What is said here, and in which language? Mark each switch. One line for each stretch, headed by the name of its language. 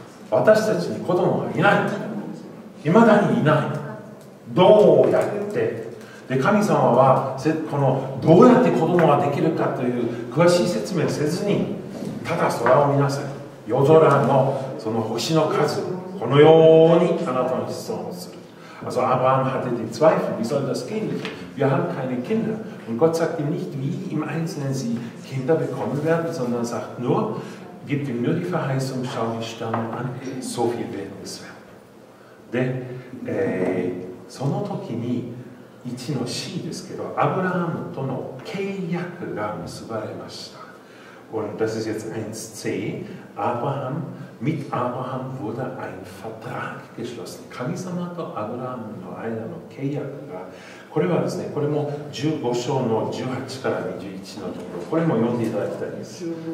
Japanese: 私たちに子供はいない、未だにいない、どうやって。で神様はこのどうやって子供ができるかという詳しい説明せずに、ただ空を見なさい、夜空のその星の数、このようにあなたの子孫をする。
German: Also Abraham hatte die Zweifel, wie soll das gehen? Wir haben keine Kinder. Und Gott sagt ihm nicht, wie im Einzelnen sie Kinder bekommen werden, sondern sagt nur, gib ihm nur die Verheißung, schau die Sterne an, so viel wird es werden.
Japanese: で、その時に1の C ですけど、アブラハムとの契約が結ばれました。
German: Und das ist jetzt 1C. Abraham, mit Abraham wurde ein Vertrag geschlossen.
Japanese: 神様とアブラハムの間の契約が、これはですね、これも15章の18から21のところ、これも読んでいただきたいです。